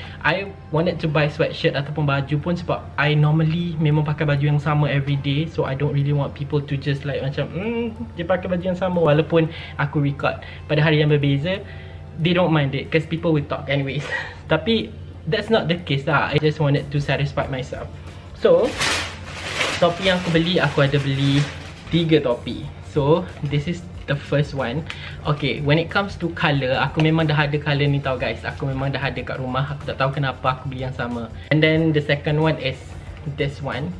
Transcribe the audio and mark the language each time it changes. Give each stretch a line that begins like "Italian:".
English: I wanted to buy sweatshirt
Malay: ataupun baju pun sebab I normally memang pakai baju yang sama
English: every day. So I don't really want people to just like
Malay: macam dia pakai baju yang sama walaupun aku record pada hari yang berbeza.
English: They don't mind it because people will talk anyways.
Malay: Tapi
English: that's not the case lah. I just wanted to satisfy myself.
Malay: So topi yang aku beli, aku ada beli 3 topi.
English: So this is the first one. Okay, when it comes to colour,
Malay: aku memang dah ada colour ni tau
English: guys.
Malay: Aku memang dah ada kat rumah. Aku tak tahu kenapa aku beli yang sama.
English: And then the second one is this one.